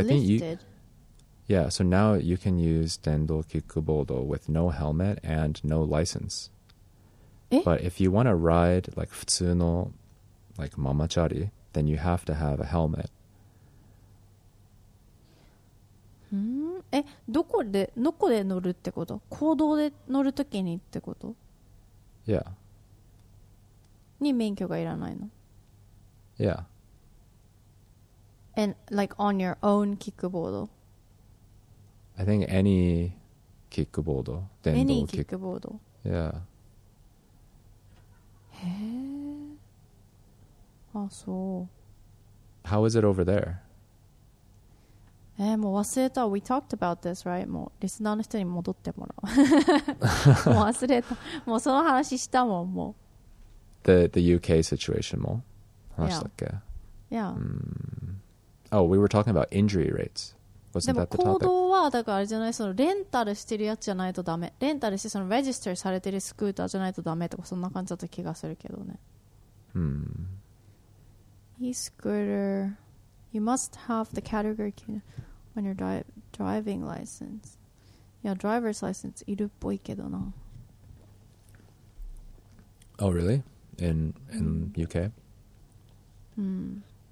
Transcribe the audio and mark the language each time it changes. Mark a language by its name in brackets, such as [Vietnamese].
[English] lifted. Think you, yeah. So now you can use Dendo Kikubodo with no helmet and no license. But if you want to ride like [Japanese] 普通の [English] like ママチャリ, then you have to have a helmet. [Japanese] え、どこで乗るってこと?公道で乗るときにってこと? [English] Yeah. [Japanese] に免許がいらないの? [English] Yeah. And like on your own kickboardo. I think any kickboardo. Any kickboardo. Yeah. Hey. Ah, so. How is it over there? Eh, [Japanese] もう忘れた。 [English] We talked about this, right? [Japanese] もうリスナーの人に戻ってもらう。もう忘れた。もうその話したもん。もう。 [English] The UK situation [Japanese] も話したっけ? [English] Yeah. Mm. Oh, we were talking about injury rates. Wasn't that the topic? [Japanese] でも行動はだからあれじゃない、そのレンタルしてるやつじゃないとダメ。レンタルしてそのレジスターされてるスクーターじゃないとダメとかそんな感じだった気がするけどね。 [English] E-scooter. You must have the category key on your driving license. [Japanese] Yeah, driver's license いるっぽいけどな。 [English] Oh, really? In UK? Hmm.